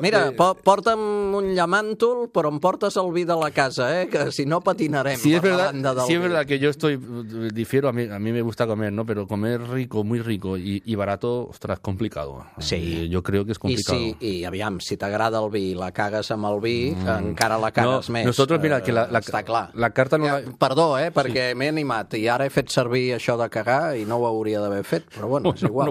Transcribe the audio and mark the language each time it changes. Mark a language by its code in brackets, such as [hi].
[ca] Mira, porta'm un llamàntol, però em portes el vi de la casa, ¿eh? Que si no patinarem. [es] Sí, es verdad que yo estoy... Difiero, a mí me gusta comer, ¿no? Pero comer rico, muy rico y barato, ostras, complicado. Sí. Yo creo que es complicado. [ca] Y aviam, si t'agrada el vi i la cagues amb el vi, encara la cagues més. [es] Nosotros, mira, que la carta no... Ja, [ca] perdó, perquè sí, m'he animat i ara he fet servir això de cagar i no ho hauria d'haver fet, però bueno, és igual.